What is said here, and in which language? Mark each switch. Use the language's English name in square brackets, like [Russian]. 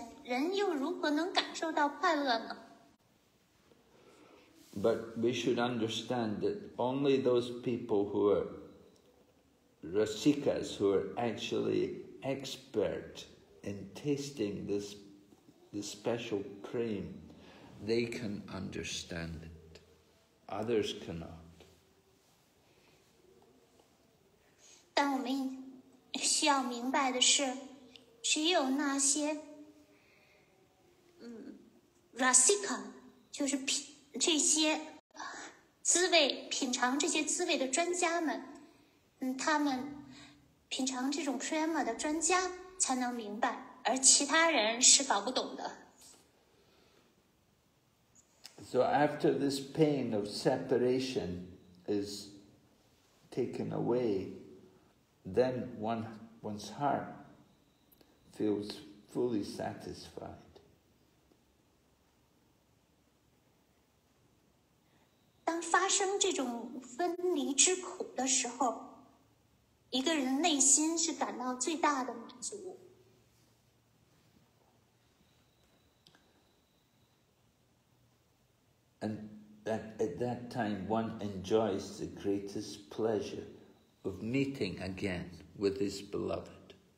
[Chinese] 如果有人问，在这种痛苦面前，人又如何能感受到快乐呢？ [English] But we should understand that only those people who are Rasikas, who are actually expert in tasting this special cream, they can understand it. Others cannot. But we need to understand that only those Rasikas, who are experts in tasting these flavors, [Chinese] 他们品尝这种prema的专家才能明白，而其他人是搞不懂的。 [English] So after this pain of separation is taken away, then one's heart feels fully satisfied. [Chinese] 当发生这种分离之苦的时候， 一个人内心是感到最大的满足。 [English] And that at that time one enjoys the greatest pleasure of meeting again with his beloved.